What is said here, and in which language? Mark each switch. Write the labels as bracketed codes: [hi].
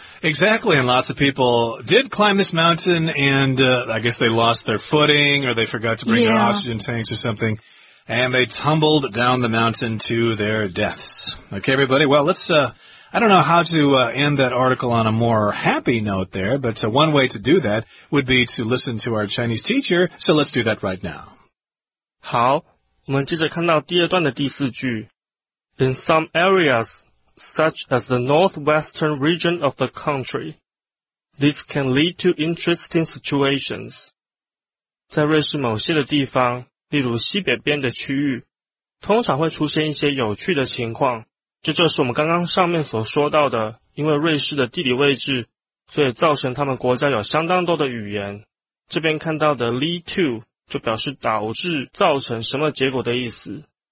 [en] Exactly, and lots of people did climb this mountain, and I guess they lost their footing or they forgot to bring their oxygen tanks or something. And they tumbled down the mountain to their deaths. Okay, everybody, well, let's... I don't know how to end that article on a more happy note there, but one way to do that would be to listen to our Chinese teacher, so let's do that right now. [zh] 好,我们接着看到第二段的第四句。 [en] In some areas, such as the northwestern region of the country, this can lead to interesting situations. [zh] 在瑞士某些的地方,例如西北边的区域,通常会出现一些有趣的情况。这就是我们刚刚上面所说到的，因为瑞士的地理位置，所以造成他们国家有相当多的语言。这边看到的 lead to 就表示导致、造成什么结果的意思。